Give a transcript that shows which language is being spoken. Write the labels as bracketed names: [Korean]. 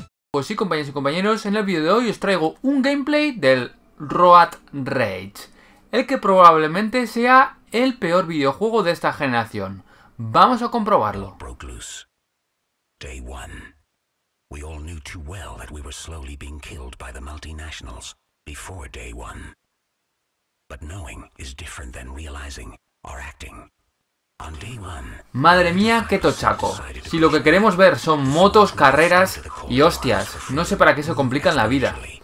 [Spanish] Pues sí, compañeros y compañeros, en el vídeo de hoy os traigo un gameplay del Road Rage, el que probablemente sea el peor videojuego de esta generación. Vamos a comprobarlo. [English] Broke loose. Day one. We all knew too well that we were slowly being killed by the multinationals before day one. But knowing is different than realizing or acting. [Spanish] Madre mía, qué tochaco. Si lo que queremos ver son motos, carreras y hostias, no sé para qué se complican la vida.